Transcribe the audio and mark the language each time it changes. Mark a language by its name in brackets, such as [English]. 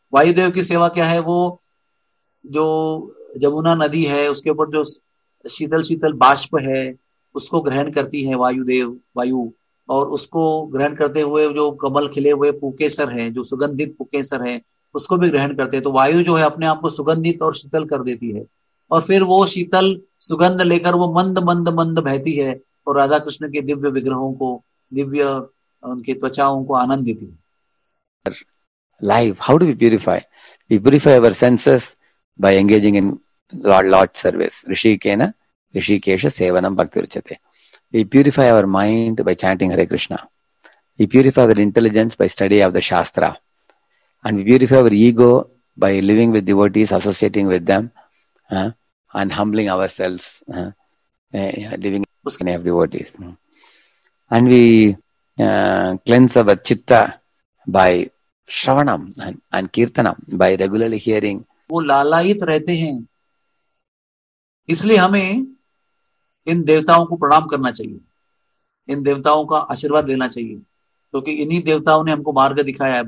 [Hindi] वायुदेव की सेवा क्या है? वो जो जमुना नदी है उसके ऊपर जो शीतल शीतल बाष्प है उसको ग्रहण करती है वायुदेव, वायु, और उसको ग्रहण करते हुए जो कमल खिले हुए पुकेसर हैं, जो सुगंधित पुकेसर हैं, उसको भी ग्रहण करते हैं. तो वायु जो है अपने आप को सुगंधित और शीतल कर देती है और फिर वो शीतल सुगंध लेकर वो मंद मंद मंद बहती है और राधा कृष्ण के दिव्य विग्रहों को, दिव्य उनकी त्वचाओं को आनंद देती है। [English] Life, how do we purify? We purify our senses by engaging in Lord service. [Sanskrit] Rishikena, Rishikesha Sevanam Bhakti Ruchate. [English] We purify our mind by chanting Hare Krishna. We purify our intelligence by study of the Shastra. And we purify our ego by living with devotees, associating with them, and humbling ourselves, living in the devotees. And we cleanse our chitta by shravanam and kirtanam by regularly hearing. [Hindi] वो लालायित रहते हैं, इसलिए हमें इन देवताओं को प्रणाम करना चाहिए, इन देवताओं का आशीर्वाद लेना चाहिए, क्योंकि इन्हीं देवताओं ने हमको मार्ग दिखाया है।